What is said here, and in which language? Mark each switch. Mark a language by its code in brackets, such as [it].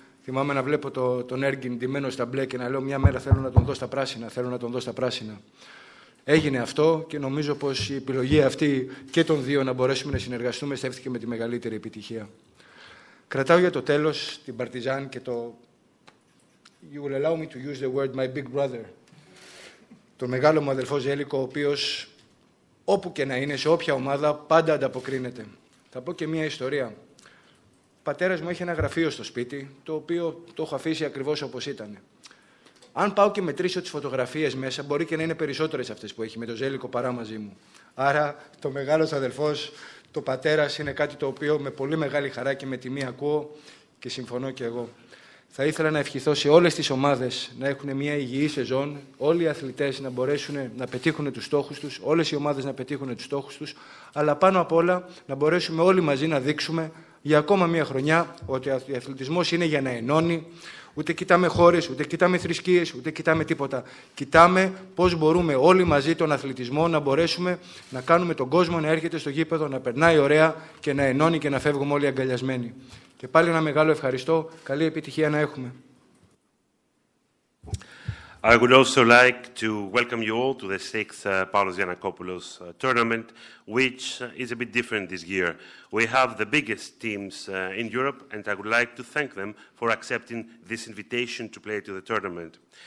[el] Θυμάμαι να βλέπω τον Έργκιν ντυμένο στα μπλε και να λέω μια μέρα θέλω να τον δω στα πράσινα, θέλω να τον δω στα πράσινα. Έγινε αυτό και νομίζω πως η επιλογή αυτή και των δύο να μπορέσουμε να συνεργαστούμε στέφθηκε με τη μεγαλύτερη επιτυχία. Κρατάω για το τέλος την Παρτιζάν και το [en] you will allow me to use the word my big brother. [el] Τον μεγάλο μου αδελφό Ζέλικο, ο οποίος όπου και να είναι, σε όποια ομάδα, πάντα ανταποκρίνεται. Θα πω και μία ιστορία. Ο πατέρας μου έχει ένα γραφείο στο σπίτι, το οποίο το έχω αφήσει ακριβώς όπως ήταν. Αν πάω και μετρήσω τις φωτογραφίες μέσα, μπορεί και να είναι περισσότερες αυτές που έχει με τον Ζέλικο παρά μαζί μου. Άρα, το μεγάλος αδελφός, το πατέρας, είναι κάτι το οποίο με πολύ μεγάλη χαρά και με τιμή ακούω και συμφωνώ και εγώ. Θα ήθελα να ευχηθώ σε όλες τις ομάδες να έχουν μια υγιή σεζόν, όλοι οι αθλητές να μπορέσουν να πετύχουν τους στόχους τους, όλες οι ομάδες να πετύχουν τους στόχους τους, αλλά πάνω απ' όλα να μπορέσουμε όλοι μαζί να δείξουμε για ακόμα μια χρονιά ότι ο αθλητισμός είναι για να ενώνει. Ούτε κοιτάμε χώρες, ούτε κοιτάμε θρησκείες, ούτε κοιτάμε τίποτα. Κοιτάμε πώς μπορούμε όλοι μαζί τον αθλητισμό να μπορέσουμε να κάνουμε τον κόσμο να έρχεται στο γήπεδο, να περνάει ωραία και να ενώνει και να φεύγουμε όλοι αγκαλιασμένοι. Και πάλι ένα μεγάλο ευχαριστώ. Καλή επιτυχία να έχουμε. [en] I would also like to welcome you all to the 6th Paulos Giannakopoulos tournament, which is a bit different this year. We have the biggest teams in Europe, and I would like to thank them for accepting this invitation to play to the tournament.